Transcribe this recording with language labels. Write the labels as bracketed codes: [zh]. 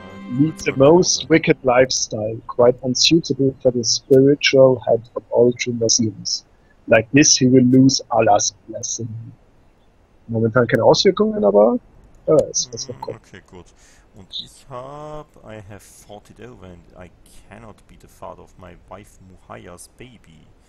[en] Leads the most wicked lifestyle, quite unsuitable for the spiritual head of all true Muslims. Like this, he will lose Allah's blessing. [de] Momentan keine Auswirkungen, aber er weiß, was noch kommt. Okay, gut. Und ich habe... [en] I have fought it over and I cannot be the father of my wife Muhaya's baby.